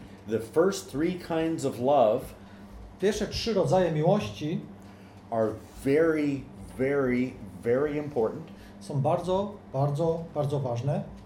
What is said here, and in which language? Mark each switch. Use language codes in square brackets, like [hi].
[en] The first three kinds of love, [pl] pierwsze trzy rodzaje miłości, [en] are very, very, very important, [pl] są bardzo, bardzo, bardzo ważne